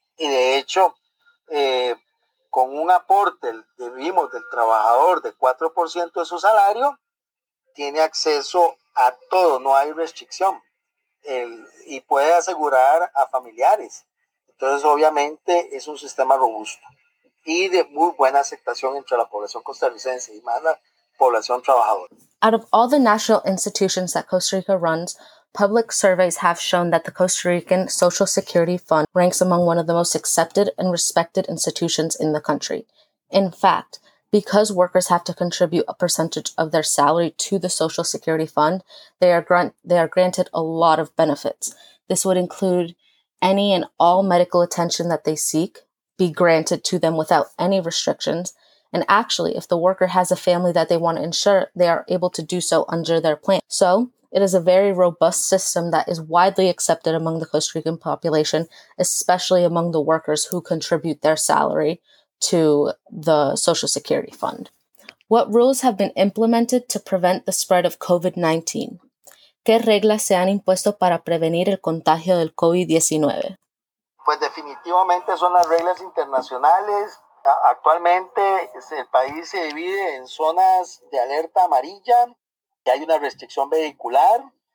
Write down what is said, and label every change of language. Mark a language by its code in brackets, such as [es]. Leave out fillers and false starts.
[es] Y de hecho, con un aporte, vimos, del trabajador de 4% de su salario, tiene acceso a todo, no hay restricción, y puede asegurar a familiares. Entonces, obviamente, es un sistema robusto y de muy buena aceptación entre la población costarricense y más la población trabajadora. [en] Out of all the national institutions that Costa Rica runs, public surveys have shown that the Costa Rican Social Security Fund ranks among one of the most accepted and respected institutions in the country. In fact, because workers have to contribute a percentage of their salary to the Social Security Fund, they are granted a lot of benefits. This would include any and all medical attention that they seek be granted to them without any restrictions. And actually, if the worker has a family that they want to insure, they are able to do so under their plan. So it is a very robust system that is widely accepted among the Costa Rican population, especially among the workers who contribute their salary to the Social Security Fund. What rules have been implemented to prevent the spread of COVID-19? [es] ¿Qué reglas se han impuesto para prevenir el contagio del COVID-19? Pues definitivamente son las reglas internacionales. Actualmente el país se divide en zonas de alerta amarilla y hay una restricción vehicular.